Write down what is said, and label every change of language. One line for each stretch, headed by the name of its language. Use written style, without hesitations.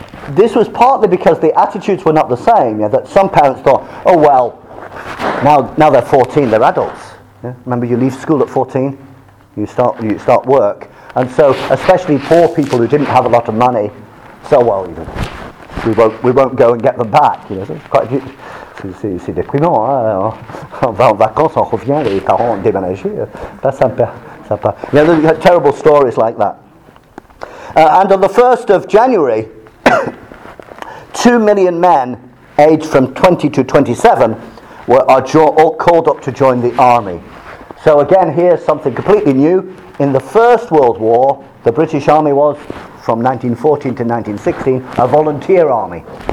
English: This was partly because the attitudes were not the same. Yeah, that some parents thought, oh well, now they're 14, they're adults. Yeah. Remember, you leave school at 14, you start work, and so especially poor people who didn't have a lot of money, so well, you know, we won't go and get them back. You know,
French: c'est quite c'est déprimant. Hein? On va en vacances, on revient, les parents ont déménagé.
English: That's sympa. Yeah, you had terrible stories like that. And on the 1st of January, 2 million men aged from 20 to 27 were called up to join the army. So again, here's something completely new. In the First World War, the British Army was, from 1914 to 1916, a volunteer army.